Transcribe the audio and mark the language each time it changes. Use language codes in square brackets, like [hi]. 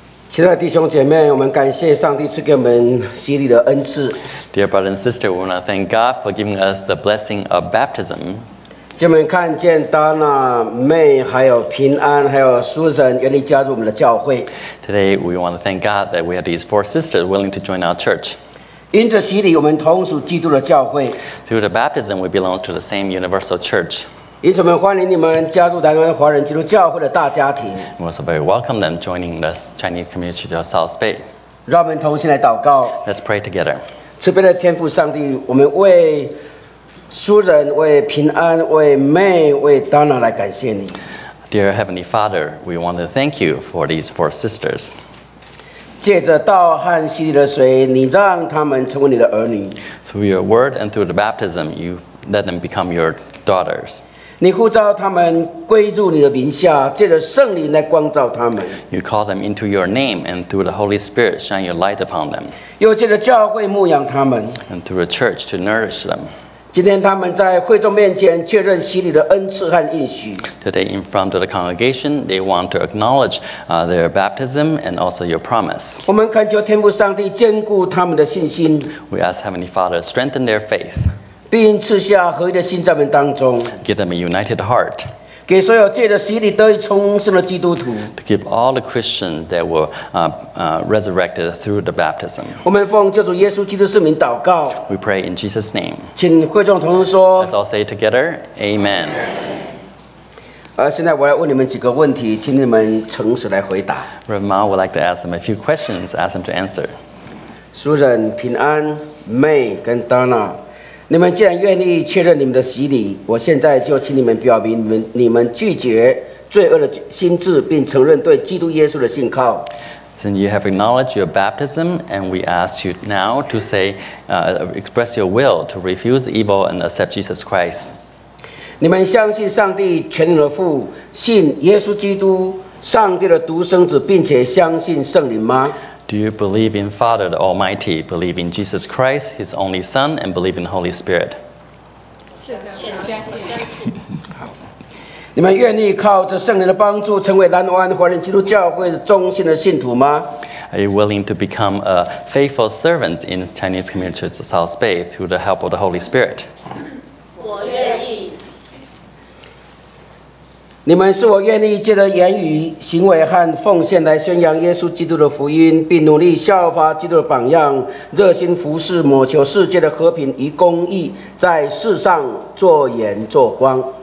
[zh] 亲爱的弟兄姐妹，我们感谢上帝赐给我们洗礼的恩赐。 [en] Dear brother and sister, we want to thank God for giving us the blessing of baptism. [zh] 我们看见 Donna、May 还有平安还有 Susan 愿意加入我们的教会。 [en] Today we want to thank God that we have these four sisters willing to join our church. [zh] 因着洗礼，我们同属基督的教会。 [en] Through the baptism, we belong to the same universal church. [zh] 因此，我们欢迎你们加入台湾华人基督教会的大家庭。 [en] We also very welcome them joining the Chinese community of South Bay. [zh] 让我们同心来祷告。 [en] Let's pray together. [zh] 慈悲的天父上帝，我们为苏人、为平安、为妹、为 Donna 来感谢你。 [en] Dear Heavenly Father, we want to thank you for these four sisters. [zh] 借着道和洗礼的水，你让他们成为你的儿女。 [en] Through your word and through the baptism, you let them become your daughters. [zh] 你呼召他们归入你的名下，借着圣灵来光照他们。 [en] You call them into your name, and through the Holy Spirit, shine your light upon them. [zh] 又借着教会牧养他们。 [en] And through the church to nourish them. [zh] 今天他们在会众面前确认洗礼的恩赐和应许。 [en] Today in front of the congregation, they want to acknowledge their baptism and also your promise. [zh] 我们恳求天父上帝坚固他们的信心。 [en] We ask Heavenly Father strengthen their faith. [zh] 并赐下合一的心在我们当中。 [en] Give them a united heart. [zh] 给所有借着洗礼得以重生的基督徒。 [en] To give all the Christians that were resurrected through the baptism. [zh] 我们奉救主耶稣基督圣名祷告。 [en] We pray in Jesus' name. [zh] 请会众同说。 [en] Let's all say together, Amen. [zh] 现在我要问你们几个问题，请你们诚实来回答。 [en] Reverend Ma would like to ask them a few questions, ask them to answer. [zh] Susan, 平安 May 跟 Donna. 你们既然愿意确认你们的洗礼，我现在就请你们表明你们拒绝罪恶的心智，并承认对基督耶稣的信靠。 [en] Since you have acknowledged your baptism, and we ask you now to say, express your will to refuse evil and accept Jesus Christ. [zh] 你们相信上帝全能的父，信耶稣基督上帝的独生子，并且相信圣灵吗？ [en] Do you believe in Father the Almighty, believe in Jesus Christ, His only Son, and believe in the Holy Spirit? [zh] 你们愿意靠着圣灵的帮助成为南湾华人基督教会忠心的信徒吗？ [en] Are you willing to become a faithful servant in Chinese Community of South Bay through the help of the Holy Spirit? [zh] 我愿意。你们是否愿意借着言语、行为和奉献来宣扬耶稣基督的福音，并努力效法基督的榜样，热心服事，谋求世界的和平与公义，在世上做盐做光